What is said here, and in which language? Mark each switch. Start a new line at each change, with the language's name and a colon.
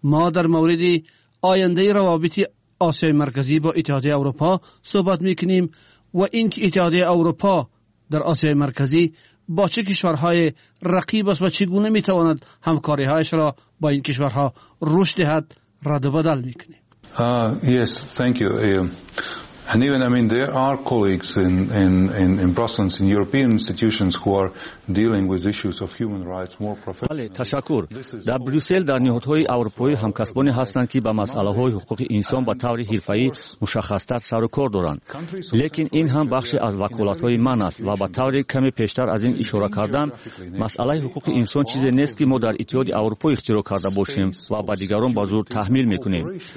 Persian: ما در مورد آینده روابط آسیای مرکزی با اتحادیه اروپا صحبت میکنیم و اینکه اتحادیه اروپا در آسیای مرکزی با چه کشورهای رقیب است و چگونه میتواند همکاری هایش را با این کشورها رشد دهد رد و بدل میکنیم.
English: Yes, thank you. And even I mean there are colleagues in Brussels in European institutions who are dealing with issues of human rights more professionally.
Persian: بله تشکر. در بروسل در نهادهای اروپایی همکسبانی هستند که با مسائل حقوق انسان به طور حرفه‌ای مشخصتر سر و کار دارند. لیکن این هم بخشی از وکالت‌های من است و به طور کمی پیشتر از این اشاره کردم، مسئله حقوق انسان چیزی نیست که ما در اتحاد اروپایی اختراع کرده باشیم و به دیگران به زور تحمیل می‌کنیم.